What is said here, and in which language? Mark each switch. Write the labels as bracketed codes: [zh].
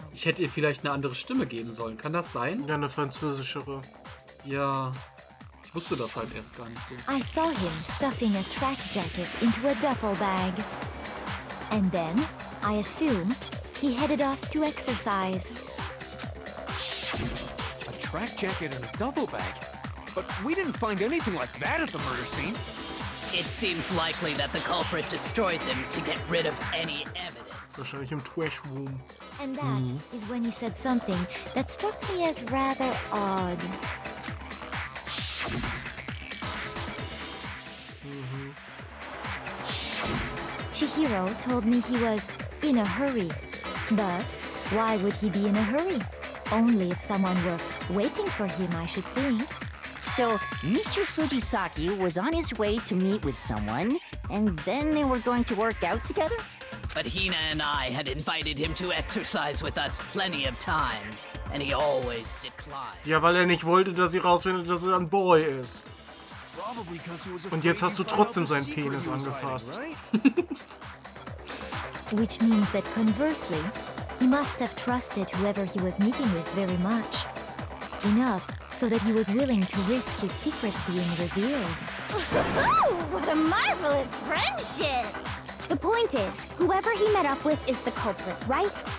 [de] Ich hätte ihr vielleicht eine andere Stimme geben sollen, kann das sein? Ja, eine französischere. Ja, ich wusste das halt erst gar nicht so. [en] I saw him stuffing a track jacket into a duffel bag. And then, I assume, he headed off to exercise. A track jacket and a duffel bag? But we didn't find anything like that at the murder scene. It seems likely that the culprit destroyed them to get rid of any evidence. [de] Wahrscheinlich im Trash Room. [en] And that is when he said something that struck me as rather odd. Chihiro told me he was in a hurry. But why would he be in a hurry? Only if someone were waiting for him, I should think. So, Mr. Fujisaki was on his way to meet with someone, and then they were going to work out together? But Hina and I had invited him to exercise with us plenty of times, and he always declined. [de] Ja, weil er nicht wollte, dass sie rausfindet, dass er ein Boy ist. Und jetzt hast du trotzdem seinen Penis angefasst. [en] Which means that conversely, he must have trusted whoever he was meeting with very much. Enough. So that he was willing to risk his secret being revealed. Oh, what a marvelous friendship! The point is, whoever he met up with is the culprit, right?